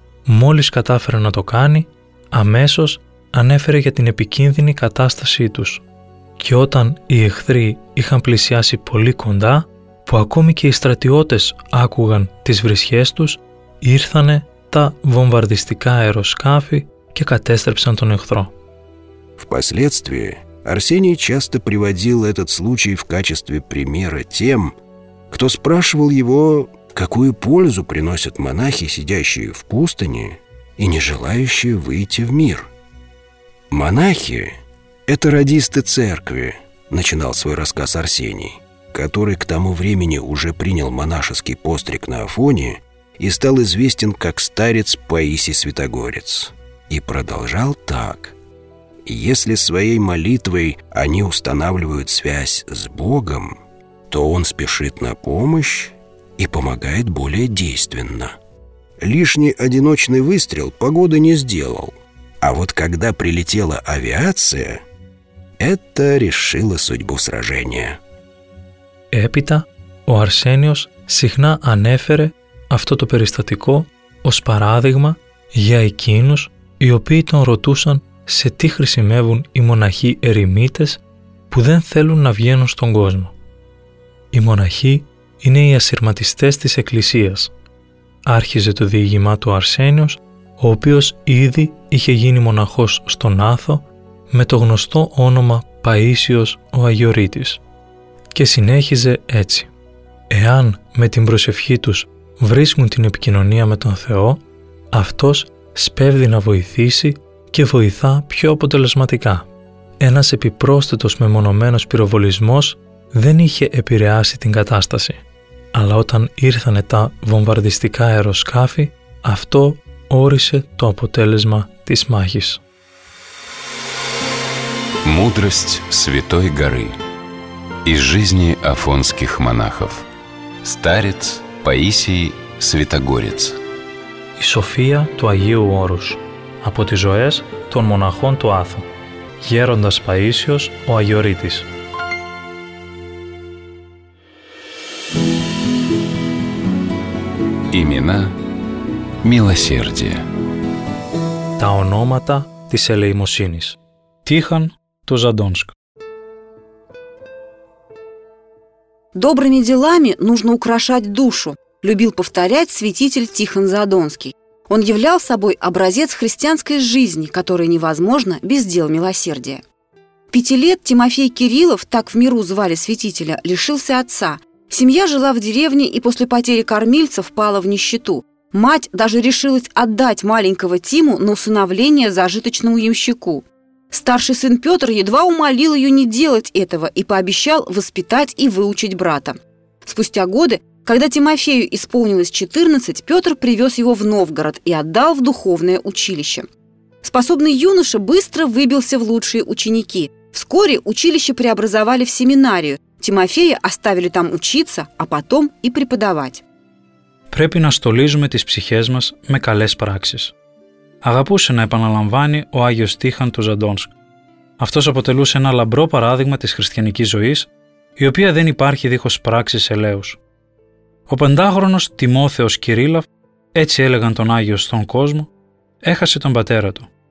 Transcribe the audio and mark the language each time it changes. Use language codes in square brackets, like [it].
[el] Μόλις κατάφερε να το κάνει, αμέσως ανέφερε για την επικίνδυνη κατάστασή τους. Και όταν οι εχθροί είχαν πλησιάσει πολύ κοντά, που ακόμη και οι στρατιώτες άκουγαν τις βρισιές τους, ήρθανε τα βομβαρδιστικά αεροσκάφη και κατέστρεψαν τον εχθρό. [ru] Впоследствии Арсений часто приводил этот случай в качестве примера тем, кто спрашивал его, какую пользу приносят монахи, сидящие в пустыне и не желающие выйти в мир. «Монахи — это радисты церкви», — начинал свой рассказ Арсений, который к тому времени уже принял монашеский постриг на Афоне и стал известен как старец Паисий Святогорец. И продолжал так. «Если своей молитвой они устанавливают связь с Богом, то он спешит на помощь и помогает более действенно. Лишний одиночный выстрел погоды не сделал. А вот когда прилетела авиация, это решило судьбу сражения. [el] Έπειτα, ο Αρσένιος συχνά ανέφερε αυτό το περιστατικό ως παράδειγμα για εκείνους οι οποίοι τον ρωτούσαν σε τι χρησιμεύουν οι μοναχοί ερημίτες που δεν θέλουν να βγαίνουν στον κόσμο. Οι μοναχοί είναι οι ασυρματιστές της Εκκλησίας. Άρχιζε το διήγημά του ο Αρσένιος, ο οποίος ήδη είχε γίνει μοναχός στον Άθο με το γνωστό όνομα Παΐσιος ο Αγιορείτης. Και συνέχιζε έτσι. Εάν με την προσευχή τους βρίσκουν την επικοινωνία με τον Θεό, αυτός σπέβδει να βοηθήσει και βοηθά πιο αποτελεσματικά. Ένας επιπρόσθετος μεμονωμένος πυροβολισμός δεν είχε επηρεάσει την κατάσταση. Αλλά όταν ήρθανε τα βομβαρδιστικά αεροσκάφη, αυτό όρισε το αποτέλεσμα της μάχης. [ru] Μούδρεστς Σβητόι Γαρί Из жизни афонских монахов. Старец Паисий Святогорец. [el] Η Σοφία του Αγίου Όρους. Από τις ζωές των μοναχών του Άθου. Γέροντας Παΐσιος ο Αγιορείτης. [ru] Имена милосердия. [el] Τα ονόματα της ελεημοσύνης. Τίχαν του Ζαντόνσκ. [ru] «Добрыми делами нужно украшать душу», – любил повторять святитель Тихон Задонский. Он являл собой образец христианской жизни, которая невозможна без дел милосердия. Пяти лет Тимофей Кириллов, так в миру звали святителя, лишился отца. Семья жила в деревне и после потери кормильцев впала в нищету. Мать даже решилась отдать маленького Тиму на усыновление зажиточному ямщику. Старший сын Петр едва умолил ее не делать этого и пообещал воспитать и выучить брата. Спустя годы, когда Тимофею исполнилось 14, Петр привез его в Новгород и отдал в духовное училище. Способный юноша быстро выбился в лучшие ученики. Вскоре училище преобразовали в семинарию. Тимофея оставили там учиться, а потом и преподавать. [el] Πρέπει να στολίζουμε τις ψυχές μας με καλές πράξεις. Αγαπούσε να επαναλαμβάνει ο Άγιος Τίχαν του Ζαντόνσκ. Αυτός αποτελούσε ένα λαμπρό παράδειγμα της χριστιανικής ζωής, η οποία δεν υπάρχει δίχως πράξης ελέους. Ο πεντάχρονος Τιμόθεος Κυρίλαφ, έτσι έλεγαν τον Άγιο στον κόσμο, έχασε τον πατέρα του.